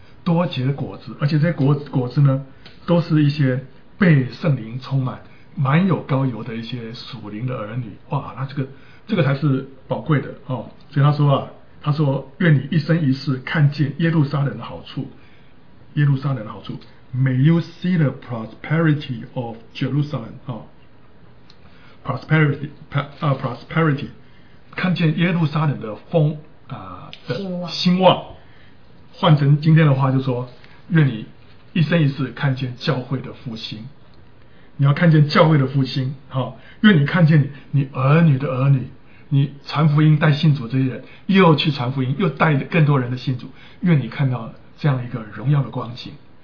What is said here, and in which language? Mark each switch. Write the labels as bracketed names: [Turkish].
[Chinese] 多结果子，而且这些 果子呢，都是一些被圣灵充满、满有膏油的一些属灵的儿女。哇，那这个才是宝贵的哦。所以他说啊，他说愿你一生一世看见耶路撒冷的好处，耶路撒冷的好处。 [English] May you see the prosperity of Jerusalem. Prosperity. [Chinese] 看见耶路撒冷的风啊、的兴旺。换成今天的话就说，愿你一生一世看见教会的复兴。你要看见教会的复兴、哦、愿你看见 你儿女的儿女，你传福音带信主这些人又去传福音，又带更多人的信主，愿你看到这样一个荣耀的光景。